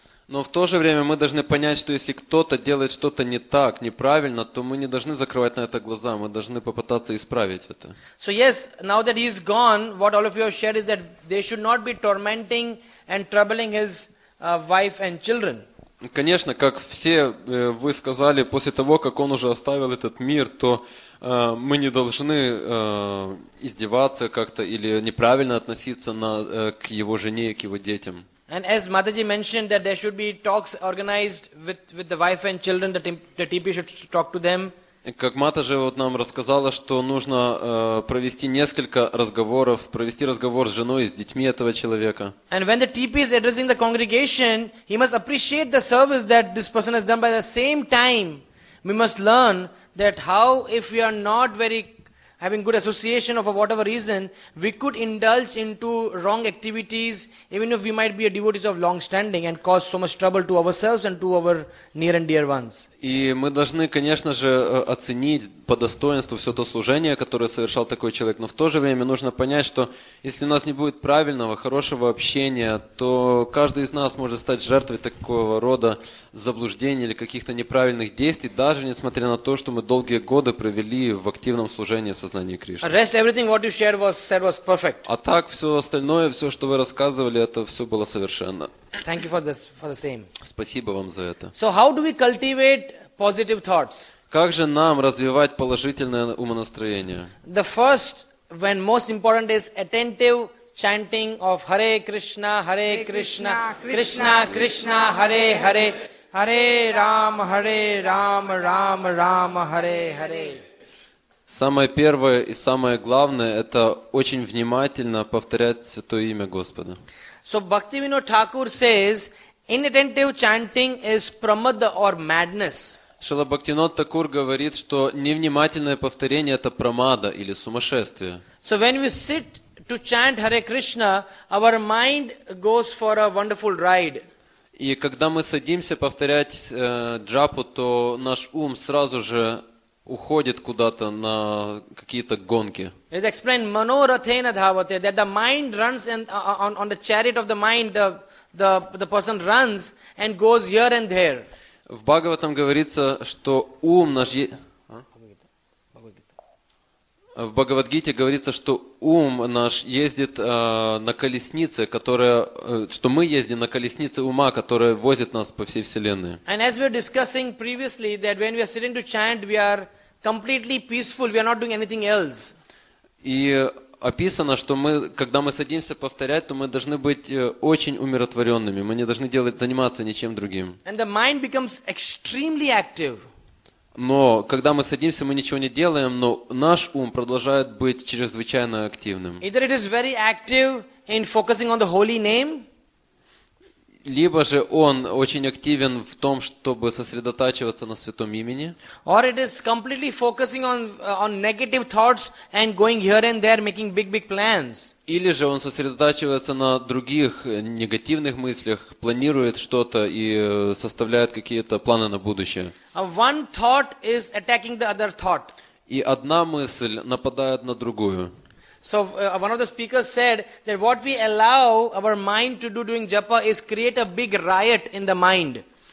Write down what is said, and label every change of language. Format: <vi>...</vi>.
<ru>Но в то же время мы должны понять, что если кто-то делает что-то не так, неправильно, то мы не должны закрывать на это глаза, мы должны попытаться исправить это.</ru> <en>So yes, now that he is gone, what all of you have shared is that they should not be tormenting and troubling his wife and children.</en> <ru>Конечно, как все вы сказали, после того, как он уже оставил этот мир, то мы не должны издеваться как-то или неправильно относиться к его жене и к его детям.</ru> <en>And as Mataji mentioned, that there should be talks organized with the wife and children, that the TP should talk to them.</en> <ru>Как Матаджи нам рассказала, что нужно провести несколько разговоров, провести разговор с женой и с детьми этого человека.</ru> <en>And when the TP is addressing the congregation, he must appreciate the service that this person has done. By the same time, we must learn that how, if we are not very having good association or for whatever reason, we could indulge into wrong activities, even if we might be a devotees of long standing and cause so much trouble to ourselves and to our near and dear ones.</en> <ru>И мы должны, конечно же, оценить по достоинству все то служение, которое совершал такой человек, но в то же время нужно понять, что если у нас не будет правильного, хорошего общения, то каждый из нас может стать жертвой такого рода заблуждений или каких-то неправильных действий, даже несмотря на то, что мы долгие годы провели в активном служении в сознании Кришны. А так, все остальное, все, что вы рассказывали, это все было совершенно.</ru> <en>Thank you for this, for the same.</en> <ru>Спасибо вам за это.</ru> <en>So how do we cultivate positive thoughts?</en> <ru>Как же нам развивать положительное умонастроение?</ru> <en>The first, when most important, is attentive chanting of Hare Krishna, Hare Krishna, Krishna Krishna, Hare Hare, Hare Ram, Hare Ram, Ram Ram, Hare Hare.</en> <ru>Самое первое и самое главное – это очень внимательно повторять Святое Имя Господа.</ru> <en>So Bhaktivinoda Thakur says, inattentive chanting is pramada or madness.</en> <ru>Шрила Бхактивинода Такур говорит, что невнимательное повторение это прамада или сумасшествие.</ru> <en>So when we sit to chant Hare Krishna, our mind goes for a wonderful ride.</en> <ru>И когда мы садимся повторять джапу, то наш ум сразу же уходит куда-то на какие-то гонки.</ru> <en>It's explained manorathena dhavate, that the mind runs in, on the chariot of the mind, the person runs and goes here and there.</en> <ru>В Бхагаватам говорится, что ум наш... В Бхагавадгите говорится, что ум наш ездит на колеснице, которая, что мы ездим на колеснице ума, которая возит нас по всей вселенной.</ru> <en>And as we were discussing previously, that when we are sitting to chant, we are completely peaceful, we are not doing anything else.</en> <ru>И описано, что мы, когда мы садимся повторять, то мы должны быть очень умиротворенными, мы не должны делать, заниматься ничем другим.</ru> <en>And the mind becomes extremely active.</en> <ru>Но когда мы садимся, мы ничего не делаем, но наш ум продолжает быть чрезвычайно активным.</ru> <en>Either it is very active in focusing on the holy name,</en> <ru>либо же он очень активен в том, чтобы сосредотачиваться на святом имени.</ru> <en>Or it is completely focusing on negative thoughts and going here and there making big plans.</en> <ru>Или же он сосредотачивается на других негативных мыслях, планирует что-то и составляет какие-то планы на будущее.</ru> <en>One thought is attacking the other thought.</en> <ru>И одна мысль нападает на другую.</ru> <en>So one of the speakers said that what we allow our mind to do during japa is create a big riot in the mind.</en>